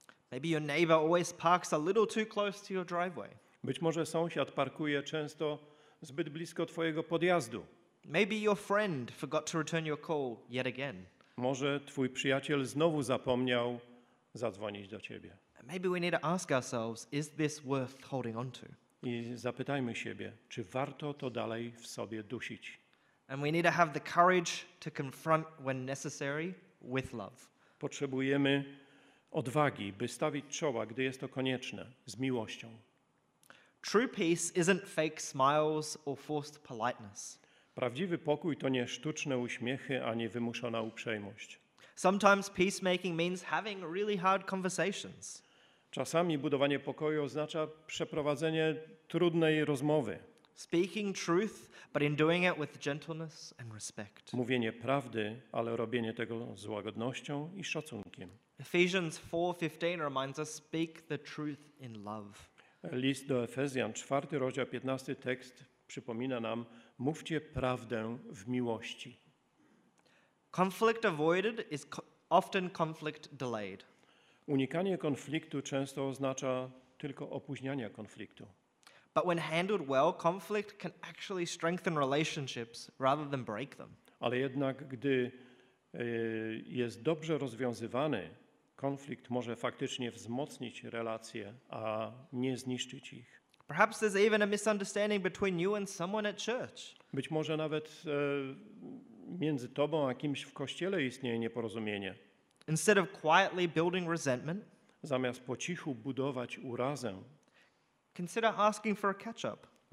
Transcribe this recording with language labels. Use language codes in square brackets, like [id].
[en] Maybe your neighbor always parks a little too close to your driveway. [pl] Być może sąsiad parkuje często zbyt blisko twojego podjazdu. [en] Maybe your friend forgot to return your call yet again. [pl] Może twój przyjaciel znowu zapomniał zadzwonić do ciebie. [en] Maybe we need to ask ourselves, is this worth holding on to? [pl] I zapytajmy siebie, czy warto to dalej w sobie dusić. [en] And we need to have the courage to confront when necessary with love. [pl] Potrzebujemy odwagi, by stawić czoła, gdy jest to konieczne, z miłością. [en] True peace isn't fake smiles or forced politeness. [pl] Prawdziwy pokój to nie sztuczne uśmiechy ani wymuszona uprzejmość. [en] Sometimes peacemaking means having really hard conversations. [pl] Czasami budowanie pokoju oznacza przeprowadzenie trudnej rozmowy. [en] Speaking truth, but in doing it with gentleness and respect. [pl] Mówienie prawdy, ale robienie tego z łagodnością i szacunkiem. [en] Ephesians 4:15 reminds us, speak the truth in love. [pl] List do Efezjan, 4 rozdział, 15 tekst przypomina nam, mówcie prawdę w miłości. [en] Conflict avoided is often conflict delayed. [pl] Unikanie konfliktu często oznacza tylko opóźnianie konfliktu. [en] But when handled well, conflict can actually strengthen relationships rather than break them. [pl] Ale jednak gdy jest dobrze rozwiązywany, konflikt może faktycznie wzmocnić relacje, a nie zniszczyć ich. [en] Perhaps there's even a misunderstanding between you and someone at church. [pl] Być może nawet między tobą a kimś w kościele istnieje nieporozumienie. [en] Instead of quietly building resentment, [pl] zamiast po cichu budować urazę, [en] consider asking for a catch-up.